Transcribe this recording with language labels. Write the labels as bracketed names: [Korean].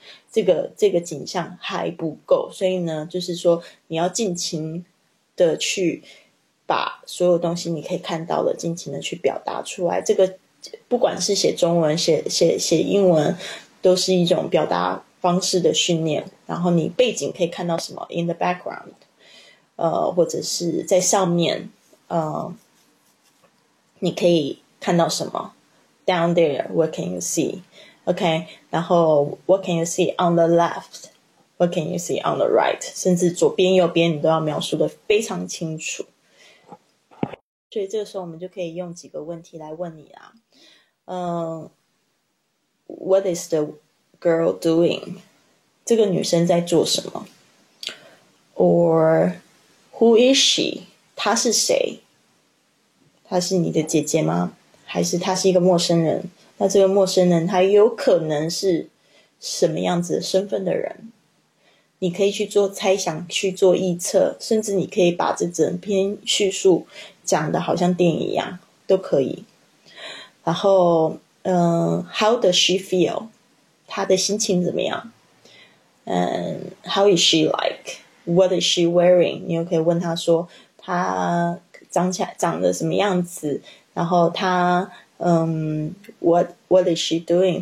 [Chinese] 这个景象还不够，所以呢，就是说你要尽情的去。把所有东西你可以看到的，尽情的去表达出来。这个不管是写中文、写英文，都是一种表达方式的训练。然后你背景可以看到什么？ [English] In the background， [Chinese] 或者是在上面，你可以看到什么？ [English] Down there，what can you see？OK，然后 what can you see on the left？What can you see on the right？ [Chinese] 甚至左边、右边，你都要描述得非常清楚。所以这个时候，我们就可以用几个问题来问你啊， [English] What is the girl doing？ [Chinese] 这个女生在做什么？ [English] Or who is she？ [Chinese] 她是谁？她是你的姐姐吗？还是她是一个陌生人？那这个陌生人，她有可能是什么样子的身份的人？你可以去做猜想，去做臆测，甚至你可以把这整篇叙述讲得好像电影一样，都可以。 [English] 然后，How does she feel？ [Chinese] 她的心情怎么样？ [English] How is she like？What is she wearing？ [Chinese] 你又可以问她说，她长得什么样子？然后她， [English] What is she doing？